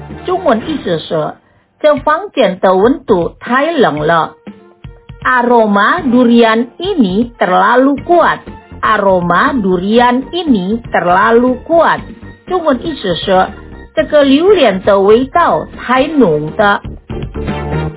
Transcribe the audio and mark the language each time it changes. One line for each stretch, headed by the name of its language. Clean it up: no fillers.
Chinese: 中文意思是，这房间的温度太冷了。
Indonesian: Aroma durian ini terlalu kuat. Aroma durian ini terlalu kuat.
Chinese: 中文意思是，这个榴莲的味道太浓的。